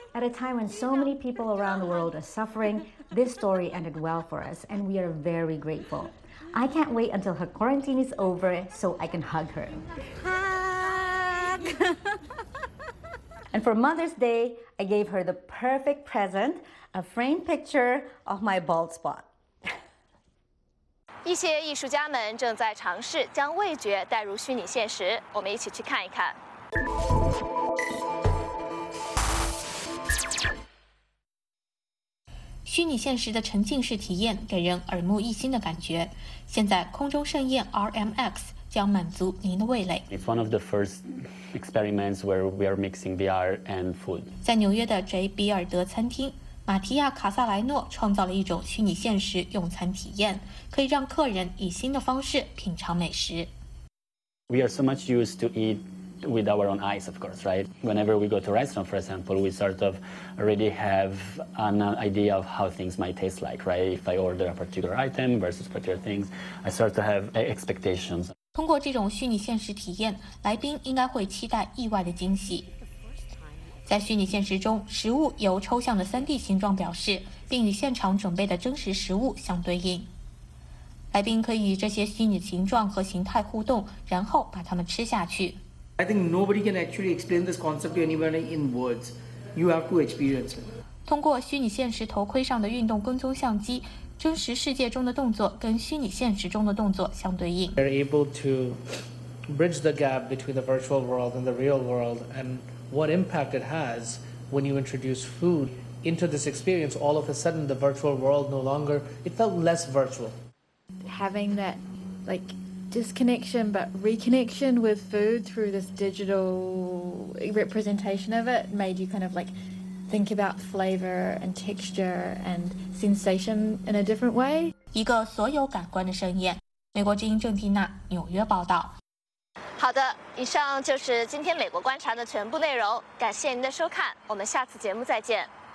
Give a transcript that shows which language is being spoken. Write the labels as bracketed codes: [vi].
[en] At a time when so many people around the world are suffering, this story ended well for us, and we are very grateful. I can't wait until her quarantine is over so I can hug her. Hug! And for Mother's Day, I gave her the perfect present, a framed picture of my bald spot. [zh] 一些艺术家们正在尝试将味觉带入虚拟现实，我们一起去看一看。虚拟现实的沉浸式体验给人耳目一新的感觉。现在空中盛宴 RMX 将满足您的味蕾。 [en] It's one of the first experiments where we are mixing VR and food. [zh] 在纽约的 J. 比尔德餐厅，马提亚·卡萨莱诺创造了一种虚拟现实用餐体验，可以让客人以新的方式品尝美食。 [en] We are so much used to eat. With our own eyes, of course, right? Whenever we go to a restaurant, for example, we sort of already have an idea of how things might taste like, right? If I order a particular item versus particular things, I sort of have expectations. [zh] 通过这种虚拟现实体验，来宾应该会期待意外的惊喜。在虚拟现实中，食物由抽象的 3D 形状表示，并与现场准备的真实食物相对应。来宾可以与这些虚拟形状和形态互动，然后把它们吃下去。 [en] I think nobody can actually explain this concept to anyone in words. You have to experience it. [zh] 通过虚拟现实头盔上的运动跟踪相机，真实世界中的动作跟虚拟现实中的动作相对应。 [en] They're able to bridge the gap between the virtual world and the real world, and what impact it has when you introduce food into this experience. All of a sudden, the virtual world no longer, it felt less virtual. Having that, like,disconnection but reconnection with food through this digital representation of it made you kind of like think about flavor and texture and sensation in a different way. [zh] 一个所有感官的盛宴，美国之音郑蒂娜，纽约报道。好的，以上就是今天美国观察的全部内容，感谢您的收看，我们下次节目再见。